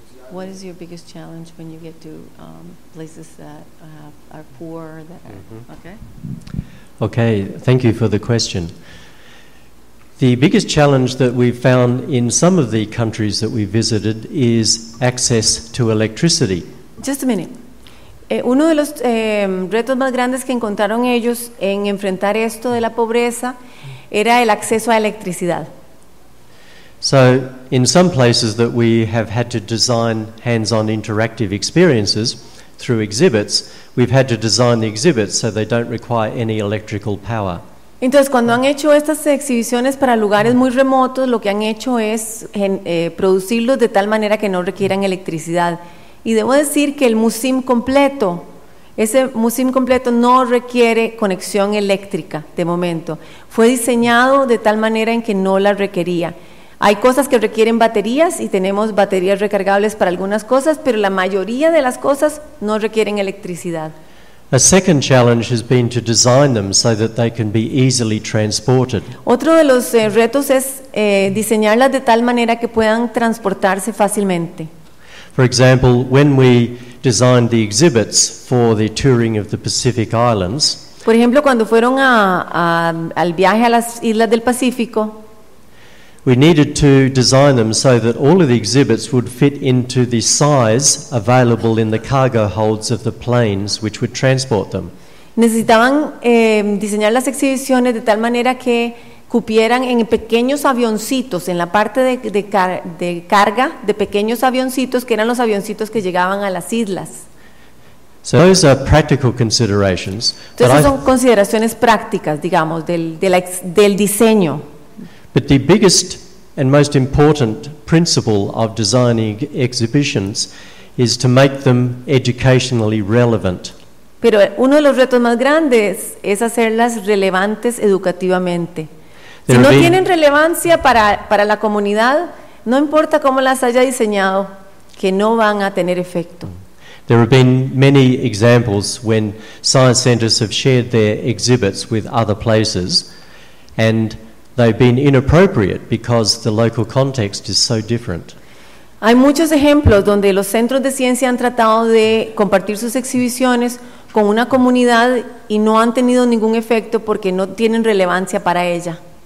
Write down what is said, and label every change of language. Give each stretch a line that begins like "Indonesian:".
English: What is your biggest challenge when you get to places that are poor? That are, okay? Okay, thank you for the question. The biggest challenge that we've found in some of the countries that we visited is access to electricity. Just a minute.
Spanish: Uno de los retos más grandes que encontraron ellos en enfrentar esto de la pobreza era el acceso a electricidad.
English: So, in some places that we have had to design hands-on interactive experiences through exhibits, we've had to design the exhibits so they don't require any electrical power.
Spanish: Entonces, cuando han hecho estas exhibiciones para lugares muy remotos, lo que han hecho es producirlos de tal manera que no requieran electricidad. Y debo decir que el museum completo, ese museum completo no requiere conexión eléctrica de momento. Fue diseñado de tal manera en que no la requería. Hay cosas que requieren baterías y tenemos baterías recargables para algunas cosas, pero la mayoría de las cosas no requieren electricidad.
English: A second challenge has been to design them so that they can be easily transported.
Spanish: Otro de los retos es diseñarlas de tal manera que puedan transportarse fácilmente.
English: For example, when we designed the exhibits for the touring of the Pacific Islands.
Spanish: Por ejemplo, cuando fueron al viaje a las Islas del Pacífico.
English: We needed to design them so that all of the exhibits would fit into the size available in the cargo holds of the planes which would transport them.
Spanish: Necesitaban diseñar las exhibiciones de tal manera que cupieran en pequeños avioncitos, en la parte de carga de pequeños avioncitos, que eran los avioncitos que llegaban a las islas.
English: So those are practical considerations.
Spanish: Entonces son consideraciones prácticas, digamos, del diseño.
English: But the biggest and most important principle of designing exhibitions is to make them educationally relevant.
Spanish: Pero uno de los retos más grandes es hacerlas relevantes educativamente. There si no been, tienen relevancia para la comunidad, no importa cómo las haya diseñado, que no van a tener efecto.
English: There have been many examples when science centers have shared their exhibits with other places and they've been inappropriate because the local context is so different.
Spanish: Hay muchos ejemplos donde los centros de ciencia han tratado de compartir sus exhibiciones con una comunidad y no han tenido ningún efecto porque no tienen relevancia para ella.